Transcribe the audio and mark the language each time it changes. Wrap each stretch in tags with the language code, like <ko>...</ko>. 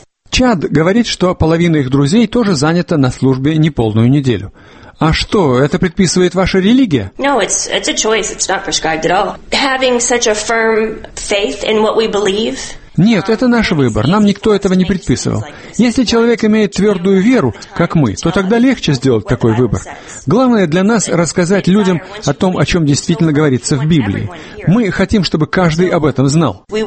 <ru>Чад говорит, что половина их друзей тоже занята на службе неполную неделю. А что, это предписывает ваша религия?</ru> <en>No, it's a choice. It's not prescribed at all. Having such a firm faith in what we believe.</en> <ru>Нет, это наш выбор, нам никто этого не предписывал. Если человек имеет твердую веру, как мы, то тогда легче сделать такой выбор. Главное для нас рассказать людям о том, о чем действительно говорится в Библии. Мы хотим, чтобы каждый об этом знал.</ru>